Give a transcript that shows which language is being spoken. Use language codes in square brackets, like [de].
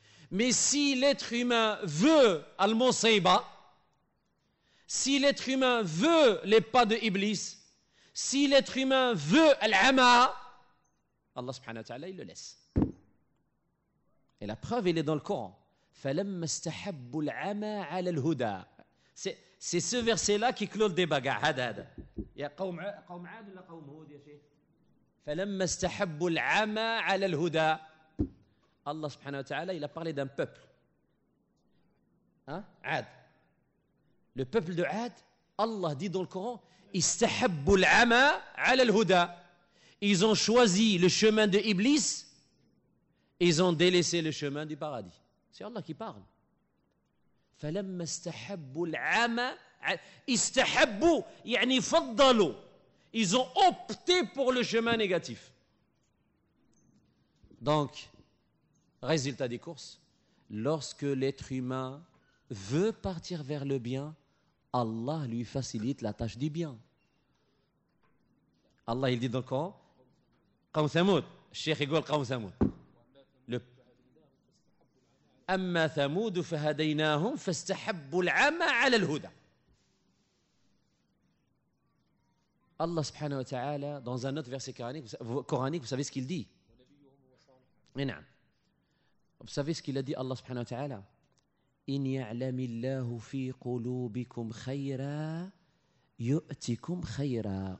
[fr] Mais si l'être humain veut al-Monsaiba, si l'être humain veut les pas de Iblis, si l'être humain veut al-Ama, Allah subhanahu wa ta'ala il le laisse. Et la preuve, elle est dans le Coran. [ar] فَلَمَّ اسْتَحَبُّ الْعَمَى عَلَى الْهُدَى. [fr] C'est ce verset-là qui clôt le débat. Hadad. Il y a [ar] قَوْمْ عَادُ [fr] ou [ar] قَوْمْ هُودِ يَا شَيْخ. فَلَمَّ اسْتَحَبُّ الْعَمَى عَلَى الْهُدَى. [fr] Allah subhanahu wa ta'ala, il a parlé d'un peuple. Ad. Le peuple de Ad, Allah dit dans le Coran, [ar] اسْتَحَبُّ الْعَمَى عَلَى الْهُدَى. [fr] Ils ont choisi le chemin de Iblis, ils ont délaissé le chemin du paradis. C'est Allah qui parle. [ar] فَلَمَّ اسْتَحَبُّ الْعَمَى اسْتَحَبُّ يعني فَضَّلُوا. [fr] Ils ont opté pour le chemin négatif. Donc, résultat des courses, lorsque l'être humain veut partir vers le bien, Allah lui facilite la tâche du bien. Allah, il dit dans le Coran, [ar] قَوْمْ ثَمُودْ Cheikh Igol, قَوْمْ ثَمُودْ أما ثمود فهديناهم فاستحبوا العمى على الهدى. [fr] الله سبحانه وتعالى dans un autre verset coranique, vous savez ce qu'il dit? [ar] نعم. [fr] Vous savez ce qu'il a dit Allah سبحانه وتعالى? [ar] إن يعلم الله في قلوبكم خيرا يؤتكم خيرا.